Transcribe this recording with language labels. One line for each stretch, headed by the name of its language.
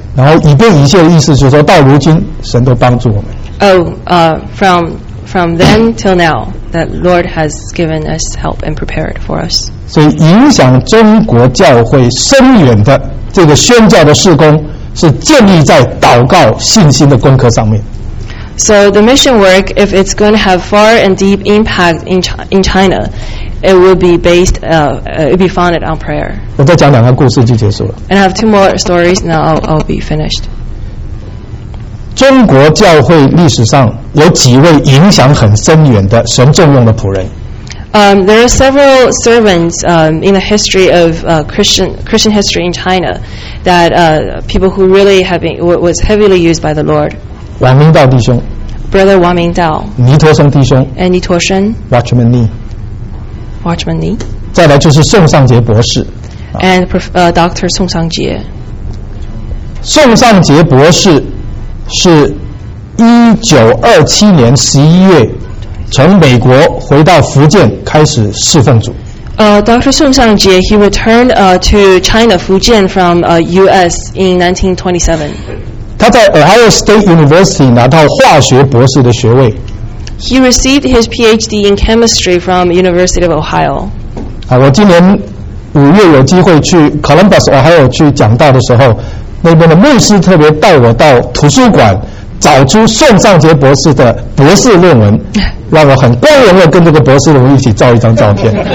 Chinese: 然后以便以谢的意思就是说到如今神都帮助我们。
English: Oh, from then till now, that Lord has given us help and prepared for us.
Chinese: 所以影响中国教会深远的这个宣教的事工是建立在祷告信心的功课上面。
English: So the mission work, if it's going to have far and deep impact in China, it will be based, it will be founded on prayer.
Chinese: 我再讲两个故事就结束了。
English: And I have two more stories, and I'll be finished.
Chinese: 中国教会历史上有几位影响很深远的神重用的仆人。
English: There are several servants in the history of Christian history in China that people who really have been was heavily used by the Lord.
Chinese: 王明道弟兄。
English: Brother Wang Mingdao.
Chinese: 尼陀生弟兄。
English: And 尼陀生。 Watchman Nee. Watchman Nee.
Chinese: 再来就是宋尚杰博士。
English: And Dr. 宋尚杰。
Chinese: 宋尚杰博士。是1927年11月从美国回到福建开始侍奉主。
English: Dr. 宋尚杰 he returned to China, Fujian from US in 1927.
Chinese: 他在 Ohio State University 拿到化学博士的学位。
English: He received his PhD in chemistry from University of Ohio.
Chinese: 我今年5月有机会去 Columbus, Ohio 去讲道的时候那边的牧师特别带我到图书馆找出宋尚杰博士的博士论文让我很光荣地跟这个博士论文一起照一张照片。